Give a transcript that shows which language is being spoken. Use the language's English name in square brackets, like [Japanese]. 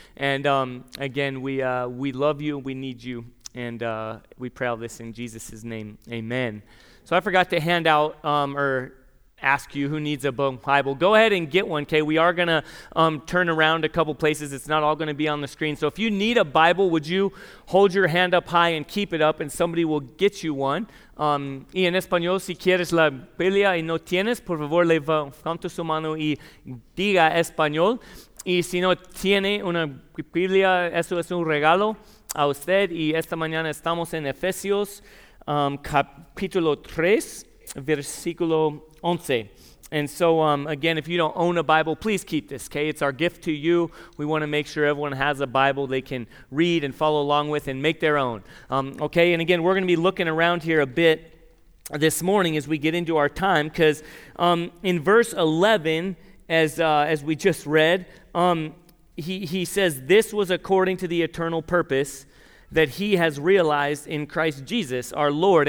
[English] And again, we love you, we need you, and we pray all this in Jesus' name, amen. So I forgot to hand out or ask you who needs a Bible. Go ahead and get one, okay? We are going to turn around a couple places. It's not all going to be on the screen. So if you need a Bible, would you hold your hand up high and keep it up, and somebody will get you one. [Spanish] Y en español, si quieres la Biblia y no tienes, por favor, levanta su mano y diga español. Y si no tiene una Biblia, eso es un regalo a usted. Y esta mañana estamos en Efesios, capítulo 3, versículo 11. [English] And so, again, if you don't own a Bible, please keep this, okay? It's our gift to you. We want to make sure everyone has a Bible they can read and follow along with and make their own, okay? And again, we're going to be looking around here a bit this morning as we get into our time, because in verse 11, as we just read, he says, "This was according to the eternal purpose that he has realized in Christ Jesus, our Lord."